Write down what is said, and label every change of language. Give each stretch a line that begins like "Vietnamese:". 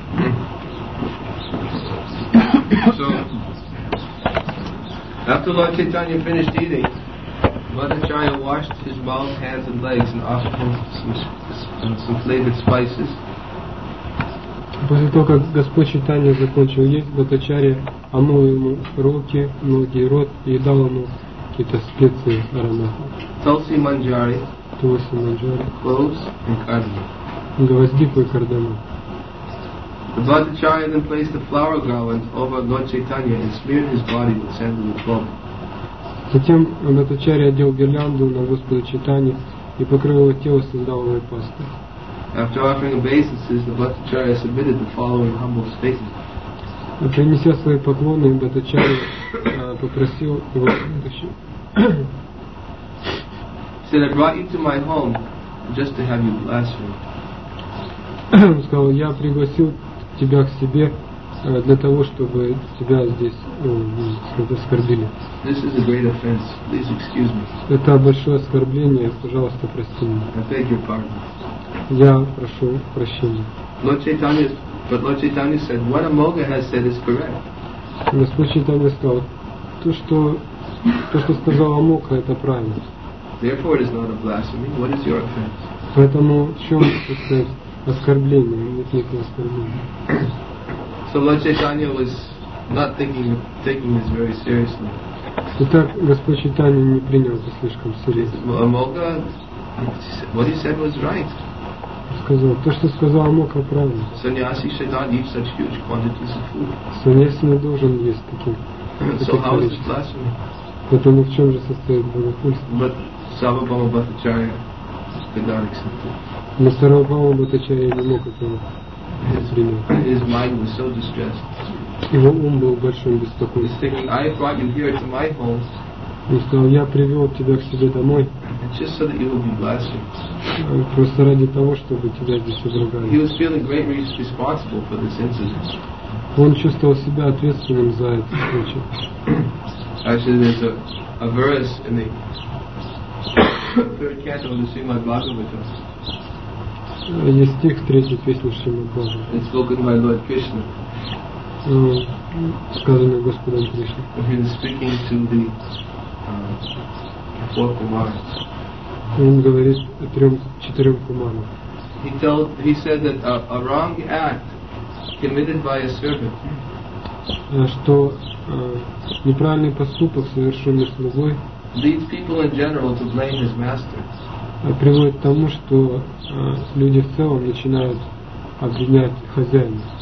English: So, after Lord Chaitanya finished eating, Mother Chaya washed his mouth, hands and legs and offered him some flavored spices.
Russian: После того, как Господь Чайтанья закончил есть, Бхаттачарья омыл ему руки, ноги и рот и дал ему какие-то специи, ароматы. Тулси манджари. Тулси манджари.
English: Cloves and cardamom.
Russian: Гвоздику и кардамон.
English: Бхаттачарья then placed a flower garland over Lord Chaitanya and smeared his body with sandalwood cloth.
Russian: Затем Бхаттачарья одел гирлянду на Господа Чайтанья и покрыл его тело сандаловой пастой.
English: After offering obeisances, the Bhattacharya submitted the following humble statement.
Russian: Принеся свои поклоны, Бхаттачарья попросил его.
English: He said, "I brought you to my home just to have you blaspheme."
Russian: Он сказал, "Я пригласил тебя к себе для того, чтобы тебя здесь оскорбили."
English: This is a great offense. Please excuse me.
Russian: Это большое оскорбление. Пожалуйста, прости меня.
English: I beg your pardon.
Russian: Я прошу прощения.
English: Lord Chaitanya said, what Amoga has said is correct.
Russian: Господь Чайтанья сказал, то, что сказал Амока, это правильно.
English: Therefore it is not a blasphemy. What is your offense?
Russian: Поэтому в чем, так сказать, оскорбление? Нет никакого оскорбления.
English: So Lord Chaitanya was not taking this very seriously.
Russian: Итак, Господь Чайтанья не принял это слишком серьезно.
English: Амога, what he said was right.
Russian: Сказал, то, что сказал Амока, правильно.
English: Саньяси should not eat such huge quantities of food.
Russian: Саньяси не должен есть таким.
English: So how is it blasphemy?
Russian: Поэтому в чем же состоит богохульство?
English: But Сарвабхаума Бхаттачарья did not accept it.
Russian: Но Сарвабхаума Бхаттачарья не мог этого принять.
English: His mind was so distressed.
Russian: Его ум был большим беспокойством.
English: He's thinking, I brought you here to my home.
Russian: Он сказал, я привел тебя к себе домой.
English: Just so that you will be blessed.
Russian: Просто ради того, чтобы тебя здесь удержали.
English: He was feeling greatly responsible for this incident.
Russian: Он чувствовал себя ответственным за это случай.
English: Actually, there's a verse in the third canto of the Srimad Bhagavatam.
Russian: Есть стих в третьей песне Шримад Бхагаватам.
English: It's spoken by Lord Krishna.
Russian: Сказано Господом Кришной.
English: He is speaking to the four kumaras.
Russian: Он говорит о четырем куманам.
English: He said that a wrong act committed by a servant.
Russian: Что неправильный поступок, совершенный слугой,
English: leads people in general to blame his master.
Russian: Приводит к тому, что люди в целом начинают обвинять хозяина.